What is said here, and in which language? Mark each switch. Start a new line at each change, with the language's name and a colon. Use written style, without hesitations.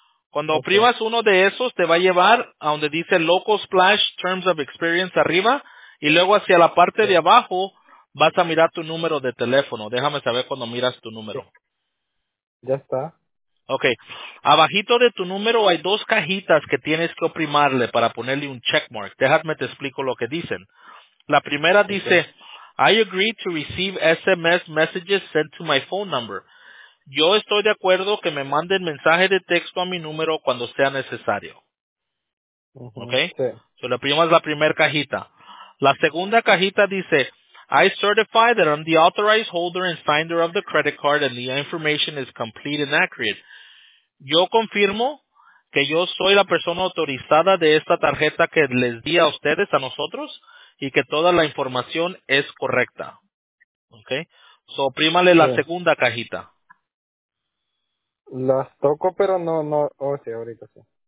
Spanish: Cuando oprimas uno de esos, te va a llevar a donde dice Local Splash Terms of Experience arriba, y luego hacia la parte de abajo vas a mirar tu número de teléfono. Déjame saber cuando miras tu número. Ya está. Okay. Abajito de tu número hay dos cajitas que tienes que oprimarle para ponerle un checkmark. Déjame te explico lo que dicen. La primera dice,
English: I agree to receive SMS messages sent to my phone number.
Spanish: yo estoy de acuerdo que me manden mensaje de texto a mi número cuando sea necesario. Okay. Sí. So, la primera es la primera cajita. La segunda cajita dice,
English: I certify that I'm the authorized holder and signer of the credit card and the information is complete and accurate.
Spanish: Yo confirmo que yo soy la persona autorizada de esta tarjeta que les di a ustedes, a nosotros, y que toda la información es correcta. Okay. So, prímale sí. La segunda cajita. Las toco, pero no, oh, sí, ahorita sí.